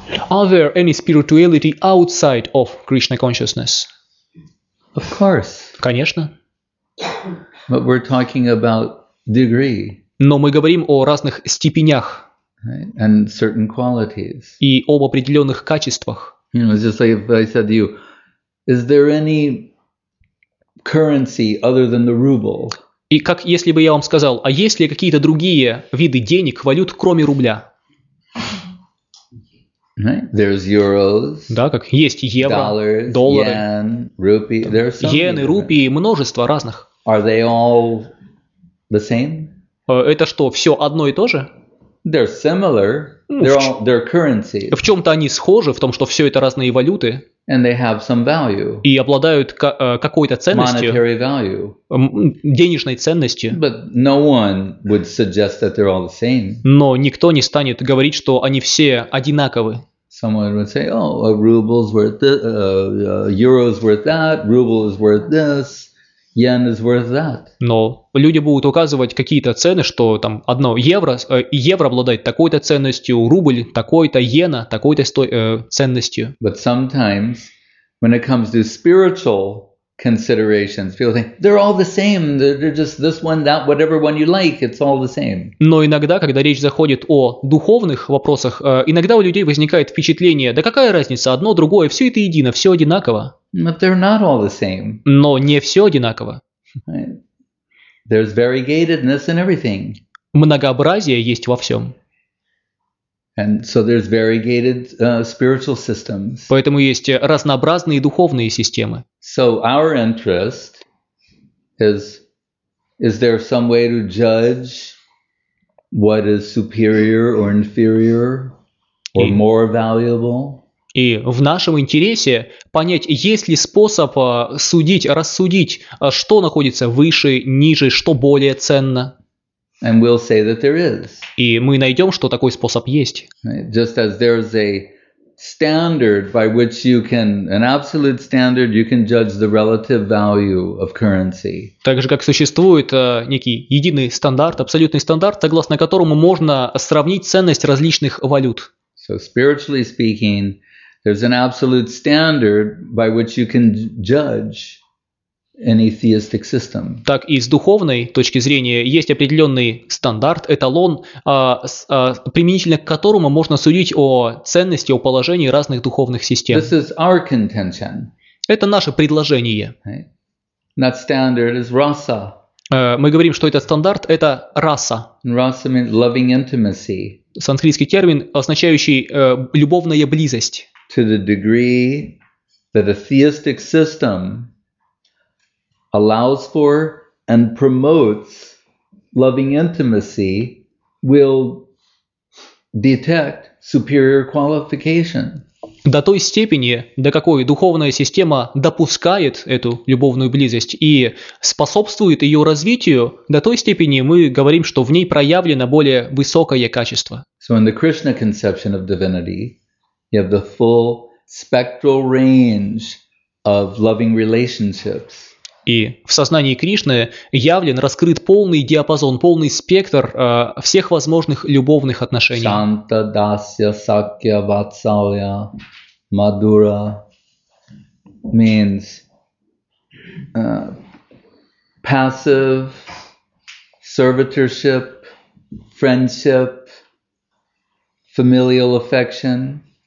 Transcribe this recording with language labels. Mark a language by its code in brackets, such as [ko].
[en] Are there any spirituality outside of Krishna consciousness? Of course. [ru] Конечно. [en] But we're talking about degree. [ru] Но мы говорим о разных степенях. [en] Right? And certain qualities. [ru] И об определенных качествах. [en] You know, it's just like if I said to you, is there any currency other than the ruble? [ru] И как если бы я вам сказал, а есть ли какие-то другие виды денег, валют, кроме рубля? [en] Right. There's euros, [ru] да, как есть евро, [en] dollars, [ru] доллары, [en] yen, rupee. There are some [ru] иены, [en] different. [ru] Рупии, множество разных. [en] Are they all the same? [ru] Это что, все одно и то же? [en] They're similar. They're all, they're currency. [ru] В чем-то они схожи, в том, что все это разные валюты. [en] And they have some value. [ru] И обладают какой-то ценностью. [en] Monetary value. [ru] Денежной ценностью. [en] But no one would suggest that they're all the same. [ru] Но никто не станет говорить, что они все одинаковы. [en] Someone would say, oh, a ruble's worth this, euro's worth that, ruble is worth this. Yen is worth that. [ru] Но люди будут указывать какие-то цены, что там одно евро, евро обладает такой-то ценностью, рубль такой-то, иена такой-то ценностью. [en] But sometimes, when it comes to spiritual considerations, people think they're all the same. They're just this one, that, whatever one you like, it's all the same. [ru] Но иногда, когда речь заходит о духовных вопросах, иногда у людей возникает впечатление: да какая разница, одно, другое, все это едино, все одинаково. [en] But they're not all the same. [ru] Но не все одинаково. [en] There's variegatedness in everything. [ru] Многообразие есть во всем. [en] And so there's variegated spiritual systems. [ru] Поэтому есть разнообразные духовные системы. [en] So our interest is there some way to judge what is superior or inferior or more valuable? [ru] И в нашем интересе понять, есть ли способ судить, рассудить, что находится выше, ниже, что более ценно. [en] And we'll say that there is. [ru] И мы найдем, что такой способ есть. [en] Just as there is a standard by which you can, an absolute standard, you can judge the relative value of currency. [ru] Так же, как существует некий единый стандарт, абсолютный стандарт, согласно которому можно сравнить ценность различных валют. [en] So spiritually speaking, there's an absolute standard by which you can judge any theistic system. [ru] Так и с духовной точки зрения есть определенный стандарт, эталон, применительно к которому можно судить о ценности, о положении разных духовных систем. [en] This is our contention. [ru] Это наше предложение. [en] Right? That standard is rasa. [ru] Мы говорим, что этот стандарт – это раса. [en] Rasa means loving intimacy. [ru] Санскритский термин, означающий любовная близость. [en] To the degree that a theistic system allows for and promotes loving intimacy will detect superior qualification. [ru] До той степени, до какой духовная система допускает эту любовную близость и способствует ее развитию, до той степени мы говорим, что в ней проявлено более высокое качество. [en] So in the Krishna conception of divinity, you have the full spectral range of loving relationships. [ru] И в сознании Кришны явлен, раскрыт полный диапазон, полный спектр всех возможных любовных отношений. [en] Шанта, дасья, сакья, ватсалья, мадура means passive, servitorship, friendship, familial affection.